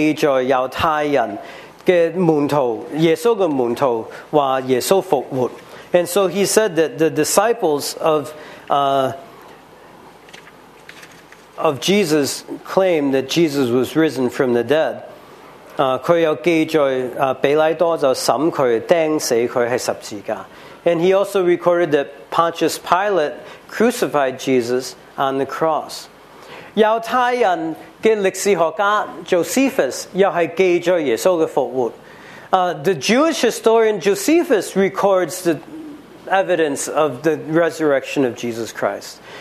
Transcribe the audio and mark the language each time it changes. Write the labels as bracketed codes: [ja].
[zh] 他就是公元100年左右呢就是记载犹太人 [en] And so he said that the disciples of Jesus claimed that Jesus was risen from the dead. [zh] 他又记载比拉多就审他,钉死他在十字架。 [en] And he also recorded that Pontius Pilate crucified Jesus on the cross. [zh] 犹太人的历史学家Josephus又是记载耶稣的复活。 [en] The Jewish historian Josephus records the evidence of the resurrection of Jesus Christ.